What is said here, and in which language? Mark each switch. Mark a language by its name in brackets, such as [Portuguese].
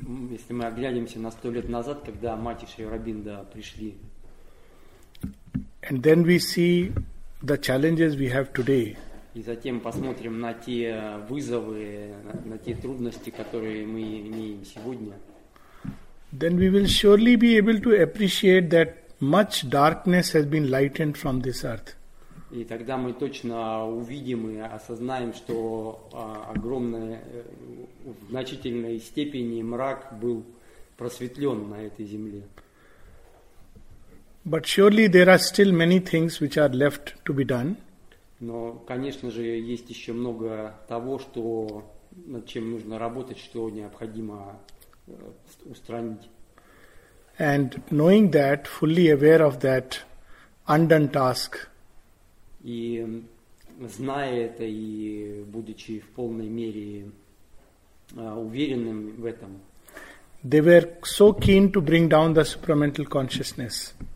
[Russian] если мы оглядимся на 100 лет назад, когда мать и Шри Аурабинда пришли, [English] and then we see the challenges we have today. [Russian] И затем посмотрим на те вызовы, на те трудности, которые мы имеем сегодня. [English] Then we will surely be able to appreciate that much darkness has been lightened from this earth. [Russian] И тогда мы точно увидим и осознаем, что огромная, в значительной степени мрак был просветлен на этой земле. [English] But surely there are still many things which are left to be done. [Russian] Но, конечно же, есть еще много того, что над чем нужно работать, что необходимо устранить. [English] And knowing that, fully aware of that undone task. [Russian] И зная это и будучи в полной мере уверенным в этом. [English] They were so keen to bring down the supramental consciousness.